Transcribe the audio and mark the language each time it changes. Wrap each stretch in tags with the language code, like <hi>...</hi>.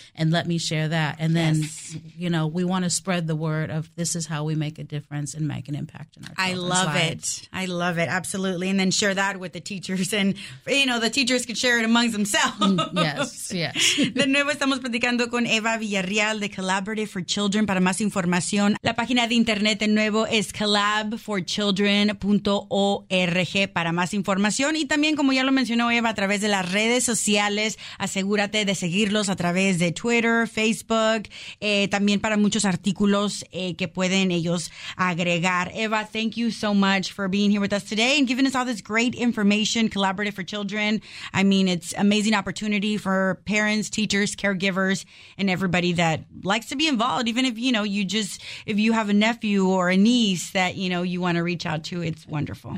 <en>And then, yes, you know, we want to spread the word of this is how we make a difference and make an impact in our children's lives. I love it. I love it. Absolutely. And then share that with the teachers, and, you know, the teachers can share it amongst themselves. Yes, yes.</en> <es>De nuevo estamos platicando con Eva Villarreal de Collaborative for Children. Para más información, la página de internet de nuevo es collabforchildren.org para más información. Y también, como ya lo mencionó Eva, a través de las redes sociales, asegúrate de seguirlos a través de Twitter, Facebook, también para muchos artículos que pueden ellos agregar.</es> <en>Eva, thank you so much for being here with us today and giving us all this great information. Collaborative for Children, I mean, it's an amazing opportunity for parents, teachers, caregivers, and everybody that likes to be involved. Even if, you know, you just, if you have a nephew or a niece that, you know, you want to reach out to, it's wonderful.</en>